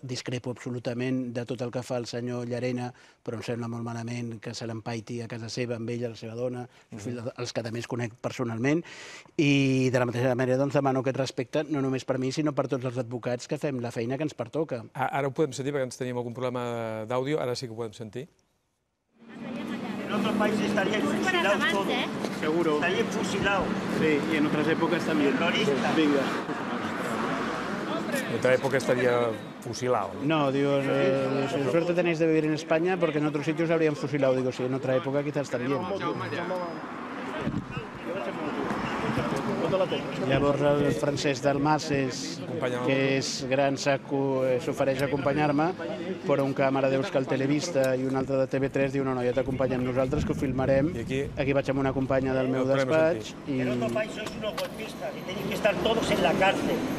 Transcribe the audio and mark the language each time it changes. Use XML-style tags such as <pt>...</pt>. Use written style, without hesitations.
<ca>Discrepo absolutament de tot el que fa el senyor Llarena, però em sembla molt malament que se l'empaiti a casa seva amb ell, la seva dona, els que també es conec personalment. I de la mateixa manera doncs, demano aquest respecte, no només per mi, sinó per tots els advocats que fem la feina que ens pertoca. Ara ho podem sentir, perquè ens teníem algun problema d'àudio, ara sí que ho podem sentir.</ca> <es>En otros países estarían fusilados todos. Seguro. Estarían fusilados. Sí, y en otras épocas también. Terrorista. Venga. En otra época estaría fusilado. No, digo, suerte tenéis de vivir en España porque en otros sitios habrían fusilado. Digo, sí, en otra época quizás también.</es> <ca>Llavors el Francesc Dalmases, que és gran saco, s'ofereix a acompanyar-me, però un càmera deus que el Televista i un altre de TV3 diu no, ja t'acompanyem nosaltres, que ho filmarem. I aquí vaig amb una companya del meu despatx.</ca> <es>En otro país sois unos golpistas y tenéis que estar todos en la cárcel.</es>